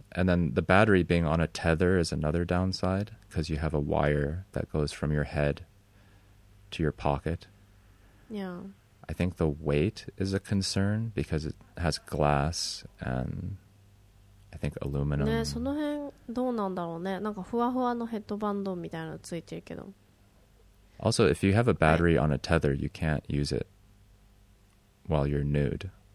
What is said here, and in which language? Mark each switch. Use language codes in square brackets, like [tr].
[en] And then the battery being on a tether is another downside because you have a wire that goes from your head to your pocket. Yeah. I think the weight is a concern because it has glass and I think aluminum. [ja] ね、その辺どうなんだろうね。なんかふわふわのヘッドバンドみたいなのついてるけど。 [en] Also, if you have a battery on a tether, you can't use it while you're nude.